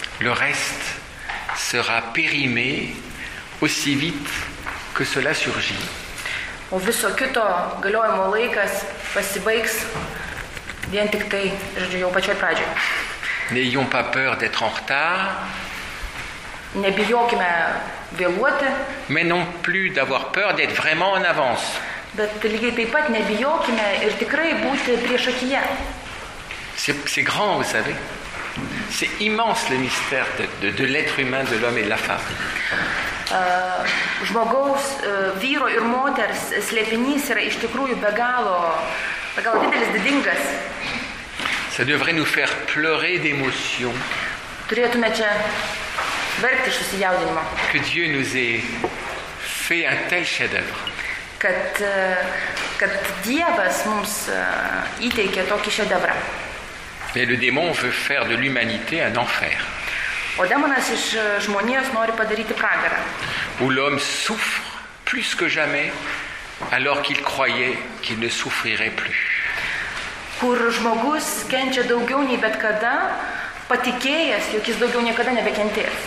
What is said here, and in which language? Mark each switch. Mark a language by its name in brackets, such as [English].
[French] Le reste sera périmé aussi vite que cela surgit. [Lithuanian] O viso kito galiojimo laikas pasibaigs vien tik tai, žodžiu, jau pačioj pradžioj. [French] N'ayons pas peur d'être en retard. [Lithuanian] Nebijokime vėluoti. [French] Mais non plus d'avoir peur d'être vraiment en avance. [Lithuanian] Bet lygiai taip pat nebijokime ir tikrai būti priešakyje. [French] C'est grand, vous savez. C'est immense le mystère de l'être humain, de l'homme et de la femme. [Lithuanian] Žmogaus, vyro ir moters slėpinys yra iš tikrųjų be galo didelis, didingas. [French] Ça devrait nous faire pleurer d'émotion. [Lithuanian] Turėtume čia verkti iš susijaudinimo. [French] Que Dieu nous ait fait un tel chef-d'œuvre. [Lithuanian] Kad Dievas mums įteikė tokį šedevrą. [French] Mais le démon veut faire de l'humanité un enfer. [Lithuanian] O demonas iš žmonijos nori padaryti pragarą. [French] Où l'homme souffre plus que jamais alors qu'il croyait qu'il ne souffrirait plus. [Lithuanian] Kur žmogus kenčia daugiau nei bet kada, patikėjęs, jog jis daugiau niekada nebekentės.